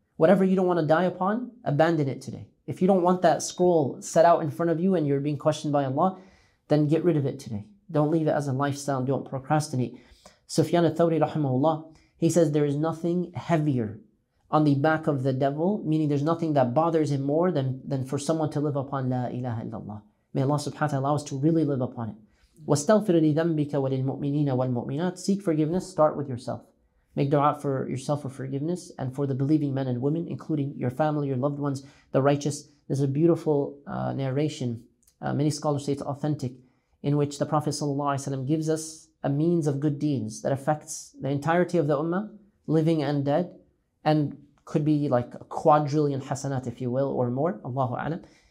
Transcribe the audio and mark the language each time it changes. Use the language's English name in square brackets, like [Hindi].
[English] Whatever you don't want to die upon, abandon it today. If you don't want that scroll set out in front of you and you're being questioned by Allah, then get rid of it today. Don't leave it as a lifestyle. Don't procrastinate. Sufyan al-Thawri rahimahullah, he says, there is nothing heavier on the back of the devil, meaning there's nothing that bothers him more than for someone to live upon La ilaha illallah. May Allah subhanahu wa ta'ala allow us to really live upon it. [Arabic] واستغفر لذنبك وللمؤمنين والمؤمنات. [English] Seek forgiveness, start with yourself. Make dua for yourself for forgiveness and for the believing men and women, including your family, your loved ones, the righteous. There's a beautiful narration, many scholars say it's authentic, in which the Prophet ﷺ gives us a means of good deeds that affects the entirety of the ummah, living and dead, and could be like a quadrillion hasanat, if you will, or more, Allahu A'lam.